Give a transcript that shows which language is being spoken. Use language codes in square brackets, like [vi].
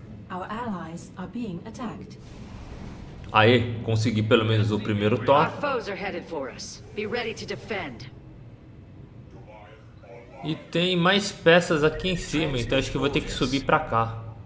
[en] Our allies are being attacked. [pt] Aê, consegui pelo menos o primeiro Thor. [en] Our foes are headed for us. Be ready to defend. [pt] E tem mais peças aqui em cima, então acho que eu vou ter que subir pra cá.